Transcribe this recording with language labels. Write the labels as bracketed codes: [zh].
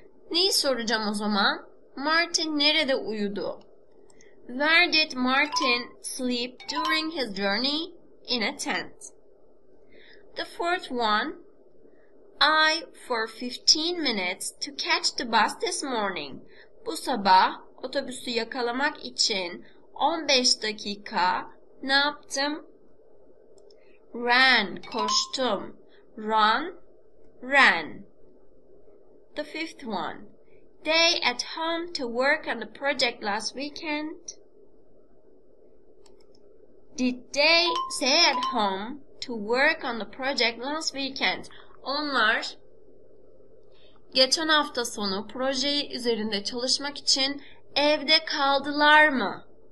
[tr] Neyi soracağım o zaman? Martin nerede uyudu? [en] Where did Martin sleep during his journey? In a tent. The fourth one. I for 15 minutes to catch the bus this morning. [tr] Bu sabah otobüsü yakalamak için 15 dakika ne yaptım? [en] Ran, koştum. Run, ran. The fifth one. They at home to work on the project last weekend. Did they stay at home to work on the project last weekend? [tr] Onlar geçen hafta sonu projeyi üzerinde çalışmak için evde kaldılar mı?